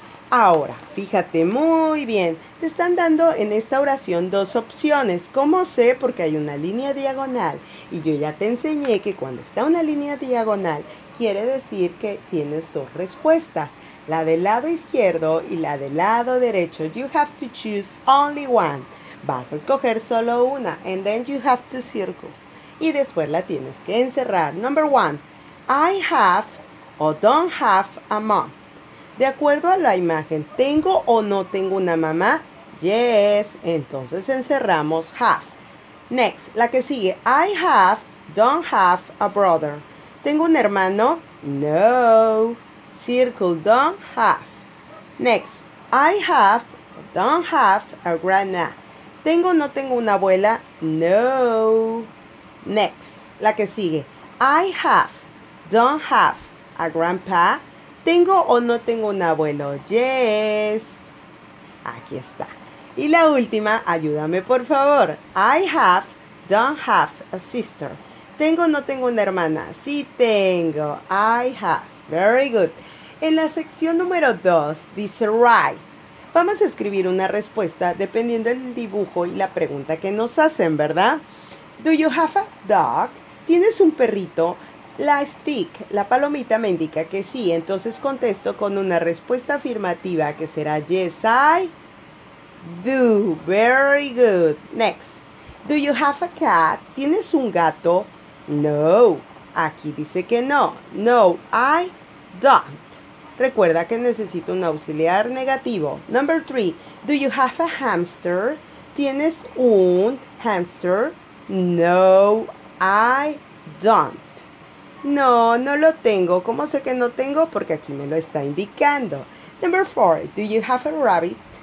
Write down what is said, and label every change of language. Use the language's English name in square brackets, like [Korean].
[Spanish] Ahora, fíjate muy bien, te están dando en esta oración dos opciones. ¿Cómo sé? Porque hay una línea diagonal. Y yo ya te enseñé que cuando está una línea diagonal, quiere decir que tienes dos respuestas. La del lado izquierdo y la del lado derecho. [English] You have to choose only one. [Spanish] Vas a escoger solo una. [English] And then you have to circle. [Spanish] Y después la tienes que encerrar. [English] Number one, I have or don't have a mom. [Spanish] De acuerdo a la imagen, ¿tengo o no tengo una mamá? Yes, entonces encerramos have. [English] Next, [Spanish] la que sigue, [English] I have, don't have a brother. [Spanish] ¿Tengo un hermano? [English] No, circle, don't have. Next, I have, don't have a grandma. [Spanish] ¿Tengo o no tengo una abuela? No. Next, la que sigue, [English] I have, don't have a grandpa. [Spanish] ¿Tengo o no tengo un abuelo? Yes. Aquí está. Y la última, ayúdame por favor. [English] I have, don't have a sister. [Spanish] ¿Tengo o no tengo una hermana? Sí tengo. [English] I have. Very good. [Spanish] En la sección número 2 dice write. Vamos a escribir una respuesta dependiendo del dibujo y la pregunta que nos hacen, ¿verdad? [English] Do you have a dog? [Spanish] ¿Tienes un perrito? La stick, la palomita, me indica que sí. Entonces contesto con una respuesta afirmativa que será [English] yes, I do. Very good. Next. Do you have a cat? [Spanish] ¿Tienes un gato? No. Aquí dice que no. [English] No, I don't. [Spanish] Recuerda que necesito un auxiliar negativo. [English] Number three. Do you have a hamster? [Spanish] ¿Tienes un [English] Answer, no, I don't. [Spanish] No, no lo tengo. ¿Cómo sé que no tengo? Porque aquí me lo está indicando. [English] Number four, do you have a rabbit?